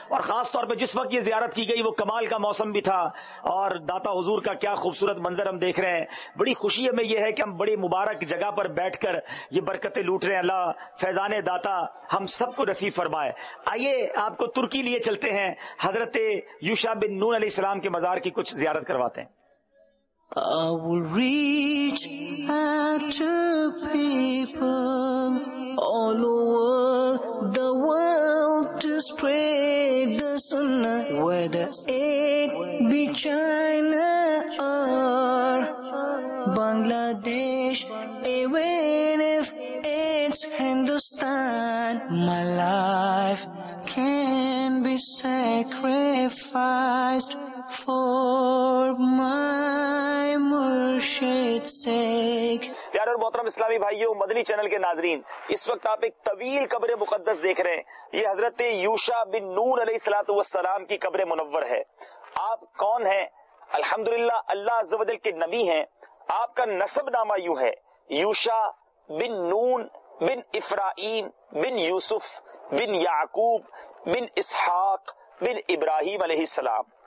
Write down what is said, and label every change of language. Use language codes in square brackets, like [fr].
[ur] اور خاص طور پہ جس وقت یہ زیارت کی گئی وہ کمال کا موسم بھی تھا، اور داتا حضور کا کیا خوبصورت منظر ہم دیکھ رہے ہیں. بڑی خوشی ہمیں یہ ہے کہ ہم بڑی مبارک جگہ پر بیٹھ کر یہ برکتیں لوٹ رہے ہیں. اللہ فیضان داتا ہم سب کو نصیب فرمائے. آئیے آپ کو ترکی لیے چلتے ہیں، حضرت یوشا بن نون علیہ السلام کے مزار کی کچھ زیارت کرواتے ہیں. [en] I will reach out to people all over the world to spread the sunnah, whether it be China or Bangladesh, even if it's Hindustan, my life can be sacrificed for my murshid's sake. [ur] پیارے اور محترم اسلامی بھائیوں، مدنی channel کے ناظرین، اس وقت آپ ایک طویل قبر مقدس دیکھ رہے ہیں. یہ حضرت یوشا بن نون علیہ الصلوۃ والسلام کی قبر منور ہے. آپ کون ہیں؟ الحمدللہ اللہ عز و جل کے نبی ہیں. آپ کا نسب نامہ یوں ہے، یوشا بن نون بن افرائیم بن یوسف بن یعقوب بن اسحاق بن ابراہیم علیہ السلام.